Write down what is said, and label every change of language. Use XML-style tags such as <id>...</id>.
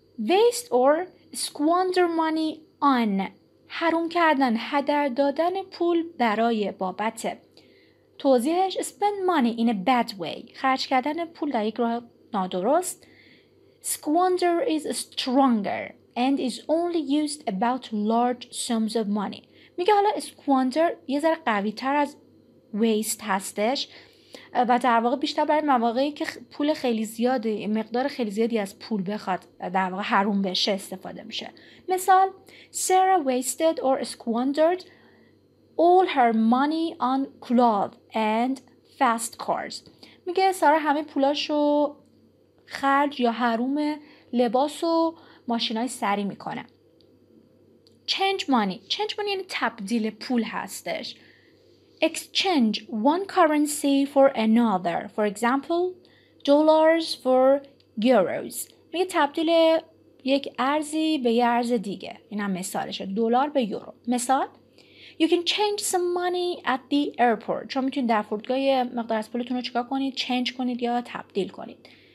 <en>Waste or squander money on،</en> <fa>حروم کردن، هدر دادن پول برای بابت. توضیحش:</fa> <en>spend money in a bad way،</en> <fa>خرج کردن پول در یک راه نادرست.</fa> <en>Squander is stronger and is only used about large sums of money.</en> <fa>میگه حالا squander یه ذره قوی تر از waste هستش و در واقع بیشتر برای مواقعی که پول خیلی زیاده، مقدار خیلی زیادی از پول بخواد در واقع حروم بشه استفاده میشه.</fa> <en>مثال: Sarah wasted or squandered all her money on clothes and fast cars.</en> <fa>میگه سارا همه پولاشو خرج یا حروم لباس و ماشینای سری میکنه.</fa> <en>Change money، change money</en> <fa>یعنی تبدیل پول هستش.</fa> <en>Exchange one currency for another. For example, dollars for euros.</en> <fa>میگه تبدیل یک ارزی به یه ارز دیگه. این هم مثالشه. دلار به یورو.</fa> <en>مثال: You can change some money at the airport.</en> <fa>شما میتونید در فرودگاه مقدار از پولتون رو چیکار کنید؟ Change کنید یا تبدیل کنید.</fa>